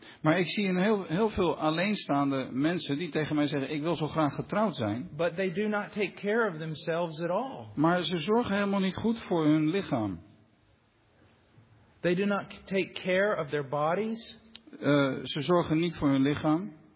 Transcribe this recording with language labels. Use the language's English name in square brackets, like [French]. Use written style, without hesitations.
[Dutch] Maar ik zie een heel veel alleenstaande mensen die tegen mij zeggen ik wil zo graag getrouwd zijn. [English] But they do not take care of themselves at all. [Dutch] Maar ze zorgen helemaal niet goed voor hun lichaam. [English] They do not take care of their bodies. [Dutch] Ze zorgen niet voor hun lichaam.